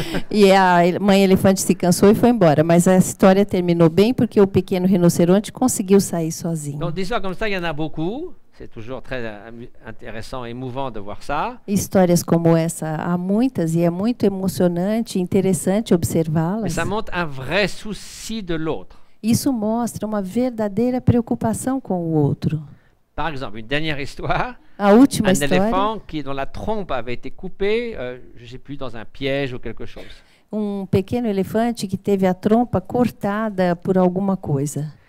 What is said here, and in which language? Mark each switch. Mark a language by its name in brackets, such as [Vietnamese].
[Portuguese] E a mãe elefante se cansou e foi embora, mas a história terminou bem porque o pequeno rinoceronte conseguiu sair sozinho. Então, histórias como essa, [French] il y en a beaucoup. C'est toujours très intéressant et émouvant de voir ça. [Portuguese] Histórias como essa há muitas e é muito emocionante, interessante observá-las. [French] Mais ça montre un vrai souci de l'autre. [Portuguese] Isso mostra uma verdadeira preocupação com o outro. [French] Par exemple, une dernière histoire. [Portuguese] A última [French] un [Portuguese] história. [French] Un éléphant qui dont la trompe avait été coupée, je sais plus dans un piège ou quelque chose. [Portuguese] Um pequeno elefante que teve a trompa cortada por alguma coisa.